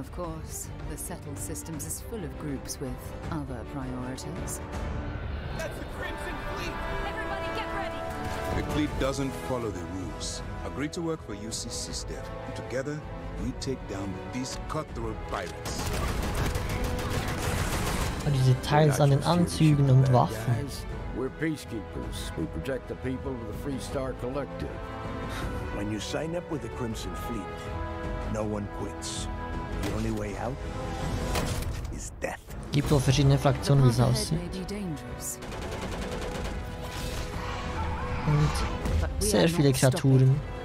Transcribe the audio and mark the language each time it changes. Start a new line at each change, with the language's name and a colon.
English: Of course, the settled systems is full of groups with other priorities. That's the Crimson Fleet! Everybody get ready! The fleet doesn't follow the rules. Agree to work for UCC staff, and together we take down these cutthroat pirates.
German: Und die Details an den Anzügen und Waffen.
English: We're peacekeepers. We protect the people of the Free Star Collective. When you sign up with the Crimson Fleet, no one quits. The only way out is death.
German: Gibt wohl verschiedene Fraktionen, wie es aussieht. Und sehr viele Kreaturen.